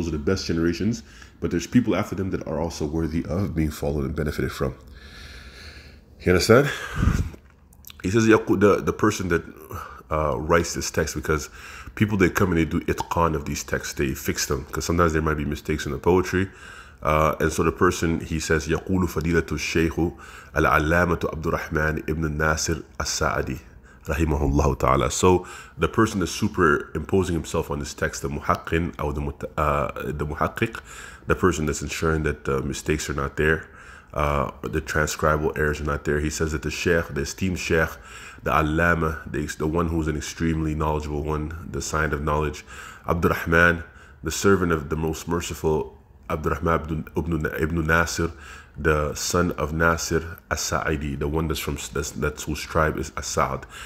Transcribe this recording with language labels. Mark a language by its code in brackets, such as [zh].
[en] Those are the best generations, but there's people after them that are also worthy of being followed and benefited from. You understand? He says the person that writes this text, because people that come and they do itqan of these texts, they fix them, because sometimes there might be mistakes in the poetry. And so the person, he says, [ar] يقول فضيلة الشيخ العلامة عبد الرحمن ابن ناصر السعدي رحمه الله تعالى. [en] So the person is superimposing himself on this text, the muhaqqin, or the muhaqqiq, the person that's ensuring that the mistakes are not there, the transcribal errors are not there. He says that the sheikh, the esteemed sheikh, the علامة, the one who's an extremely knowledgeable one, the sign of knowledge, عبد الرحمن, the servant of the most merciful, Abdurrahman ibn Nasir, the son of Nasir As-Sa'idi, the one that's from that's whose tribe is As-Sa'd.